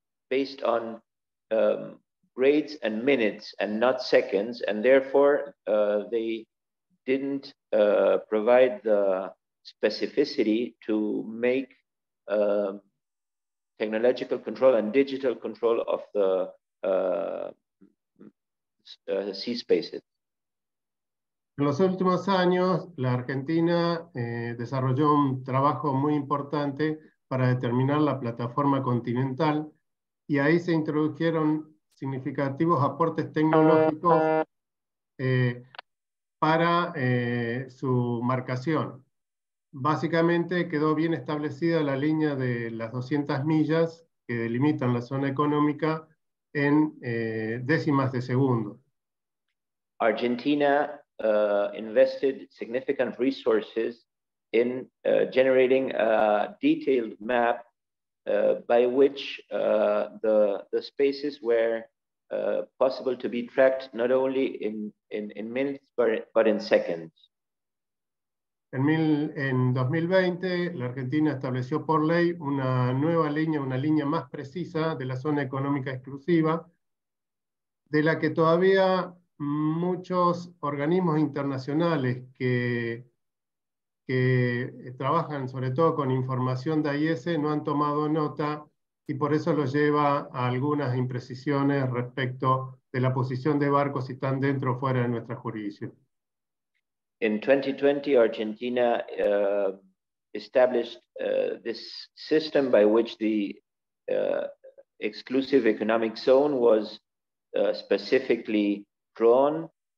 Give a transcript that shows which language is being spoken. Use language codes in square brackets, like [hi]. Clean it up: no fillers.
[en] based on grades and minutes and not seconds, and therefore they didn't provide the specificity to make technological control and digital control of the sea spaces. [es] En los últimos años, la Argentina desarrolló un trabajo muy importante para determinar la plataforma continental. Y ahí se introdujeron significativos aportes tecnológicos para su marcación. Básicamente quedó bien establecida la línea de las 200 millas que delimitan la zona económica en décimas de segundo. [en] Argentina invested significant resources in generating a detailed map by which the spaces were possible to be tracked not only in minutes but in seconds. [es] En 2020, la Argentina estableció por ley una nueva línea, una línea más precisa de la zona económica exclusiva, de la que todavía muchos organismos internacionales que trabajan sobre todo con información de AIS no han tomado nota y por eso los lleva a algunas imprecisiones respecto de la posición de barcos si están dentro o fuera de nuestra jurisdicción. [en] In 2020, Argentina established this system by which the exclusive economic zone was specifically drawn